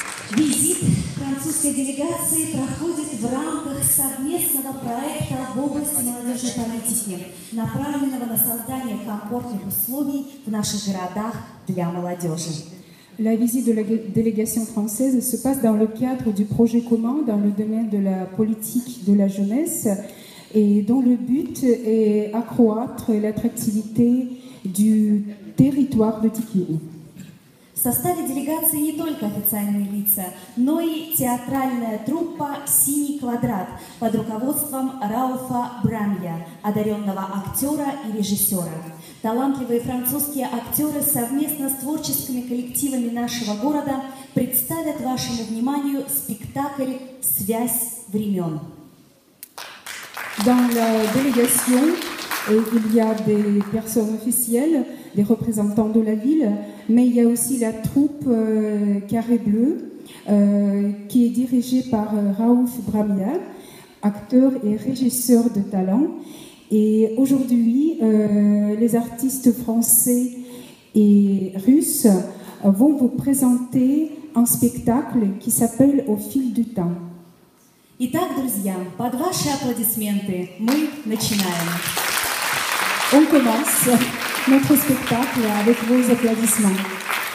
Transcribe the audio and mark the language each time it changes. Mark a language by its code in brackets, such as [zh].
[ru] Визит французской делегации проходит в рамках совместного проекта в области молодежной политики, направленного на создание комфортных условий в наших городах для молодежи. [fr] La visite de la délégation française se passe dans le cadre du projet commun dans le domaine de la politique de la jeunesse. Et dont le but est accroître l'attractivité du territoire de Tiklin. [ru] В составе делегации не только официальные лица, но и театральная труппа «Синий квадрат» под руководством Рауфа Брамья, одаренного актера и режиссера. Талантливые французские актеры совместно с творческими коллективами нашего города представят вашему вниманию спектакль «Связь времен». [fr] Dans la délégation, il y a des personnes officielles, des représentants de la ville, mais il y a aussi la troupe Carré Bleu, qui est dirigée par Raouf Bramia, acteur et régisseur de talent. Et aujourd'hui, les artistes français et russes vont vous présenter un spectacle qui s'appelle « Au fil du temps ». [ru] Итак, друзья, под ваши аплодисменты мы начинаем. [fr] On commence notre spectacle avec vos applaudissements.